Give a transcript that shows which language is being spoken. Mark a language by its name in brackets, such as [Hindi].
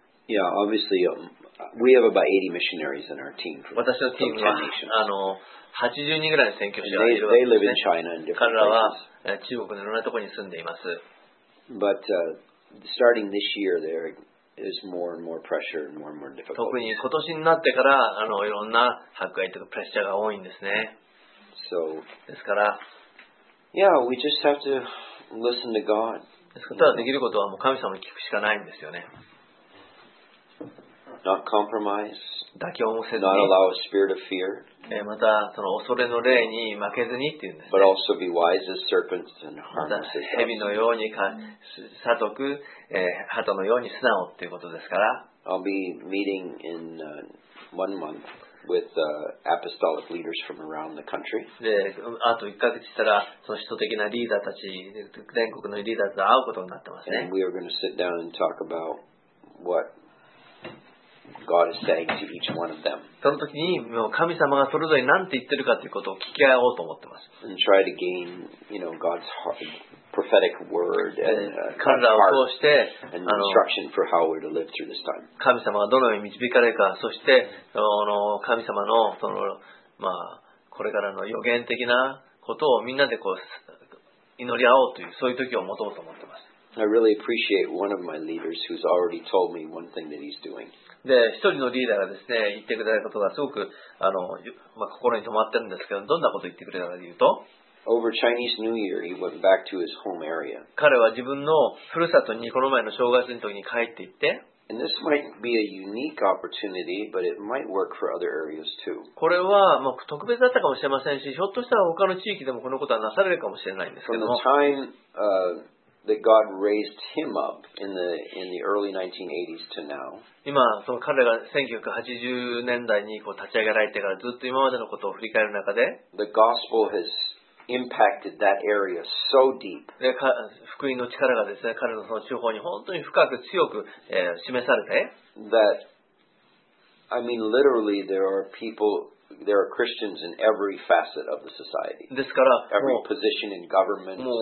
[English] Yeah, obviously, we have about 80 missionaries in our team. [Japanese] 私のチームは80人ぐらいの宣教師がいるわけですね。 [English] They live in China [Japanese] 彼らは中国のいろんなところに住んでいます。 [English] But starting this year, there is more and more pressure and more and more difficulty. [Japanese] 特に今年になってからいろんな迫害とかプレッシャーが多いんですね。 [English] So, [Japanese] ですから、 [English] Yeah, we just have to listen to God. [Japanese] ですから、ただできることはもう神様に聞くしかないんですよね。 [English] Not compromise. [Japanese] 妥協もせずに。 [English] Not allow a spirit of fear. [Japanese] またその恐れの霊に負けずにっていうんです、ね。 [English] But also be wise as serpents and harmless as [Japanese] doves. 蛇のようにか、さとく、鳩のように素直っていうことですから。 [English] I'll be meeting in one month with apostolic leaders from around the country. [Japanese] で、あと1ヶ月したらその使徒的なリーダーたち、全国のリーダーと会うことになってますね。 [English] And we are going to sit down and talk about what God is saying to each one of them. [Japanese] その時にもう神様がそれぞれ何て言ってるかということを聞き合おうと思ってます。 [English] And try to gain, you know, God's heart, prophetic word and heart and instruction for how we're to live through this time. [Japanese] 神様がどのように導かれるか、そしてあの神様のそのまあこれからの予言的なことをみんなでこう祈り合おうというそういう時を持とうと思ってます。 [English] I really appreciate one of my leaders who's already told me one thing that he's doing. [Japanese] で、一人のリーダーがですね、言ってくれたことがすごくあの、まあ、心に留まってるんですけど、どんなことを言ってくれたかというと、 [English] Over Chinese New Year, he went back to his home area. [Japanese] 彼は自分のふるさとにこの前の正月の時に帰っていって、 [English] And this might be a unique opportunity, but it might work for other areas too. [Japanese] これはまあ特別だったかもしれませんし、ひょっとしたら他の地域でもこのことはなされるかもしれないんですけども。 [English] From the time, that God raised him up in the early 1980s to now. [Japanese] 今その彼が1980年代にこう立ち上げられてからずっと今までのことを振り返る中で、 [English] The gospel has impacted that area so deep. [Japanese] 福音の力がですね、彼のその地方に本当に深く強く、示されて、 [English] That, I mean, literally there are people. There are Christians in every facet of the society. [Japanese] ですから、 [English] every position in government,